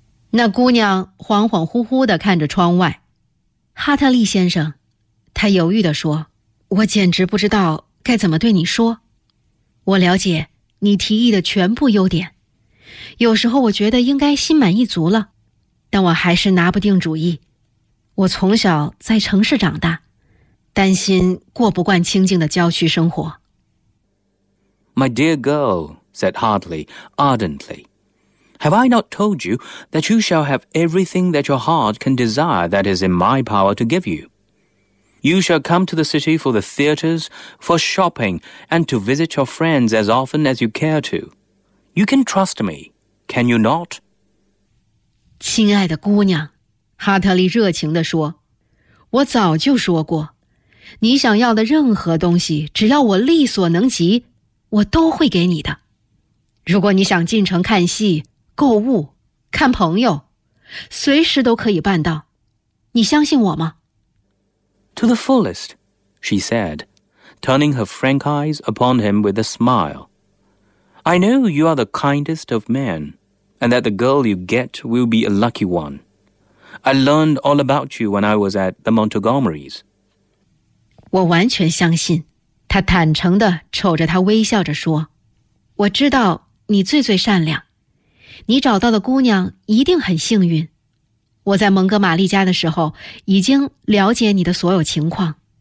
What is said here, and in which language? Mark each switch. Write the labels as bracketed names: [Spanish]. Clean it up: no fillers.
[Chinese] 那姑娘恍恍惚惚地看着窗外。哈特利先生，她犹豫地说，我简直不知道该怎么对你说？我了解你提议的全部优点，有时候我觉得应该心满意足了，但我还是拿不定主意。我从小在城市长大，担心过不惯清静的郊区生活。 [English] My dear girl, said Hartley ardently, have I not told you that you shall have everything that your heart can desire that is in my power to give you? You shall come to the city for the theatres, for shopping, and to visit your friends as often as you care to. You can trust me, can you not? [Chinese] 亲爱的姑娘，哈特利热情地说，我早就说过，你想要的任何东西，只要我力所能及，我都会给你的。如果你想进城看戏、购物、看朋友，随时都可以办到。你相信我吗？ [English] To the fullest, she said, turning her frank eyes upon him with a smile. I know you are the kindest of men, and that the girl you get will be a lucky one. I learned all about you when I was at the Montgomery's. [Chinese] 我完全相信，他坦诚地瞅着他微笑着说，我知道你最最善良，你找到的姑娘一定很幸运。我在蒙哥马利家的时候已经了解你的所有情况。